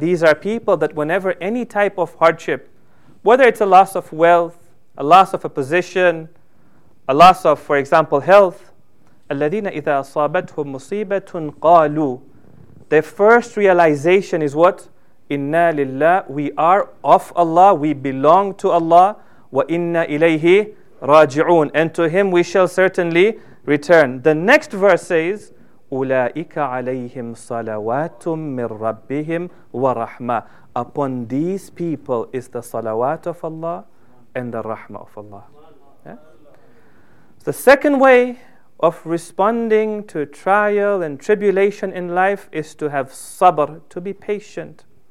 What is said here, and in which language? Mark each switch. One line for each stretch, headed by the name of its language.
English: These are people that whenever any type of hardship, whether it's a loss of wealth, a loss of a position, a loss of, for example, health,
Arabic: الَّذِينَ إِذَا أَصَابَتْهُمْ مُصِيبَةٌ قَالُوا.
English: Their first realization is what?
Arabic: إِنَّا لِلَّهِ.
English: We are of Allah, we belong to Allah.
Arabic: وَإِنَّا إِلَيْهِ رَاجِعُونَ.
English: And to him we shall certainly return. The next verse says,
Arabic: أُولَٰئِكَ عَلَيْهِمْ صَلَوَاتٌ مِّن رَبِّهِمْ وَرَحْمَةٌ.
English: Upon these people is the salawat of Allah and the rahmah of Allah. Yeah? The second way of responding to trial and tribulation in life is to have sabr, to be patient.